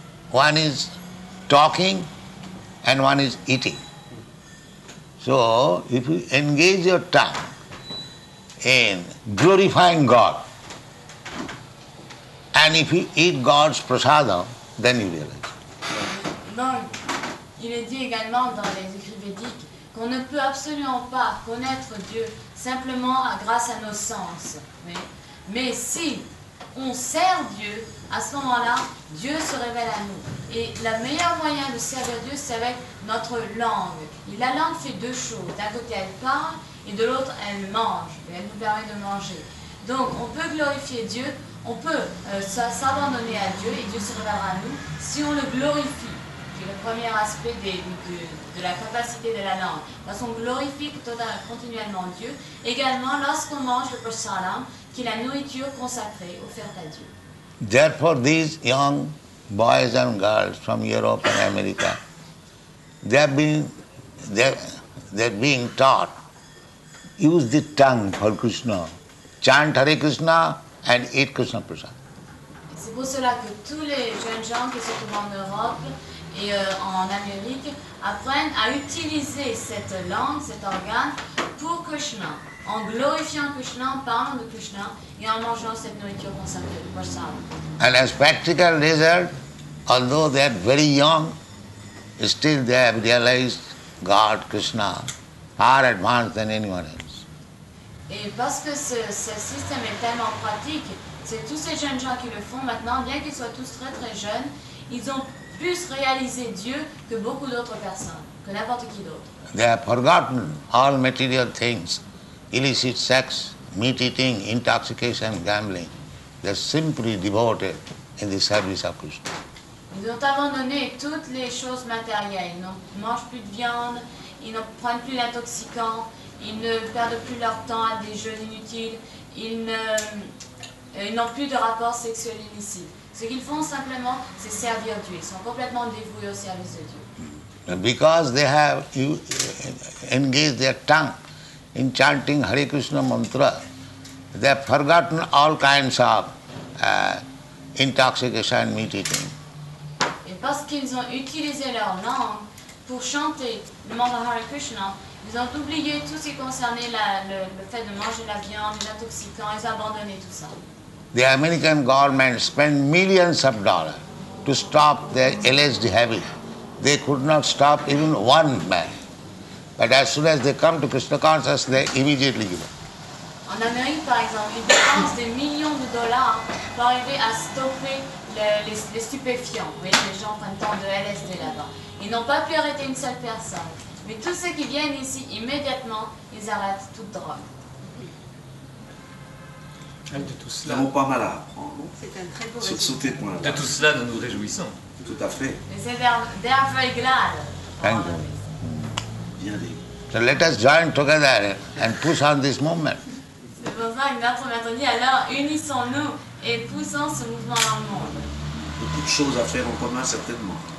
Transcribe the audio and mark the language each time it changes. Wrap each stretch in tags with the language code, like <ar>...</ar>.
<en>One is talking and one is eating. So if you engage your tongue in glorifying God, and if you eat God's prasadam, then you realize.</en> <fr>Donc, il est dit également dans les écrits védiques qu'on ne peut absolument pas connaître Dieu simplement grâce à nos sens. Mais si on sert Dieu, à ce moment-là, Dieu se révèle à nous. Et le meilleur moyen de servir Dieu, c'est avec notre langue. Et la langue fait deux choses. D'un côté, elle parle, et de l'autre, elle mange. Et elle nous permet de manger. Donc, on peut glorifier Dieu, on peut s'abandonner à Dieu, et Dieu se révèle à nous, si on le glorifie. C'est le premier aspect de la capacité de la langue. Lorsqu'on glorifie continuellement Dieu, également lorsqu'on mange le prasadam, qui est la nourriture consacrée offerte à Dieu.</fr> <en>Therefore, these young boys and girls from Europe and America, they're being taught, use the tongue for Krishna, chant Hare Krishna and eat Krishna prasad.</en> <fr>C'est pour cela que tous les jeunes gens qui se trouvent en Europe et en Amérique, apprennent à utiliser cette langue, cet organe, pour Krishna, en glorifiant Krishna, en parlant de Krishna, et en mangeant cette nourriture consacrée pour ça.</fr> <en>And as practical result, although they are very young, still they have realized God, Krishna, far advanced than anyone else.</en> <fr>Et parce que ce système est tellement pratique, c'est tous ces jeunes gens qui le font maintenant, bien qu'ils soient tous très très jeunes, ils ont plus réalisé Dieu que beaucoup d'autres personnes, que n'importe qui d'autre.</fr> <en>They have forgotten all material things, illicit sex, meat eating, intoxication, gambling. They are simply devoted in the service of Krishna.</en> <fr>Ils ont abandonné toutes les choses matérielles. Ils ne mangent plus de viande, ils ne prennent plus d'intoxicants, ils ne perdent plus leur temps à des jeux inutiles, ils n'ont plus de rapports sexuels illicites. Ce qu'ils font simplement, c'est servir Dieu. Ils sont complètement dévoués au service de Dieu.</fr> <en>Because they have engaged their tongue in chanting Hare Krishna mantra, they have forgotten all kinds of intoxication and meat eating.</en> <fr>Et parce qu'ils ont utilisé leur langue pour chanter le mantra Hare Krishna, ils ont oublié tout ce qui concernait le fait de manger la viande, les intoxicants, ils ont abandonné tout ça.</fr> <en>The American government spent millions of dollars to stop their alleged habit. They could not stop even one man. But as soon as they come to Krishna consciousness, they immediately give up.</en> <fr>En Amérique, par exemple, ils dépensent des millions de dollars pour arriver à stopper les stupéfiants. Vous voyez, les gens prennent tant de LSD là-bas. Ils n'ont pas pu arrêter une seule personne. Mais tous ceux qui viennent ici, immédiatement, ils arrêtent toute drogue. De tout cela. Nous avons pas mal à apprendre. C'est un très beau sauté point. De tout cela, nous nous réjouissons. Tout à fait.</fr> <en>They are very glad. Thank you.</en> <fr>Bien dit.</fr> <en>So let us join together and push on this movement.</en> <fr>C'est pour ça que notre maître dit, alors unissons-nous et poussons ce mouvement dans le monde. Beaucoup de choses à faire en commun, certainement.</fr>